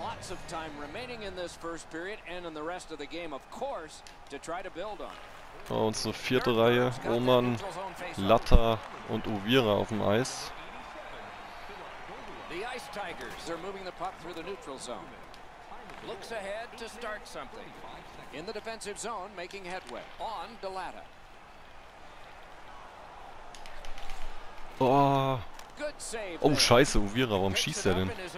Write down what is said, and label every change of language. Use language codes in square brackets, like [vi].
[en] Of time remaining in this first period and in the rest of the game, of course, to try to build on. [de] Oh, unsere vierte Reihe, Oman, Latta und Uvira auf dem Eis. [en] The Ice Tigers are moving the puck through the neutral zone. Looks ahead to start something. In the defensive zone, making headway on Delatta. [de] Oh. Oh, scheiße, Uvira, warum schießt er denn?